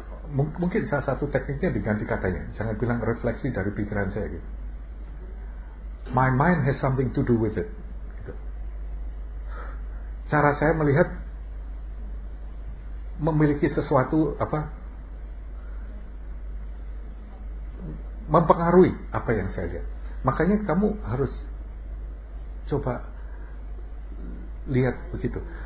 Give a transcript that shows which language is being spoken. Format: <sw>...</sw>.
<id>mungkin salah satu tekniknya diganti katanya. Jangan bilang refleksi dari pikiran saya gitu.</id> <en>My mind has something to do with it.</en> <id>Gitu. Cara saya melihat memiliki sesuatu apa? Mempengaruhi apa yang saya lihat. Makanya kamu harus coba lihat begitu.</id>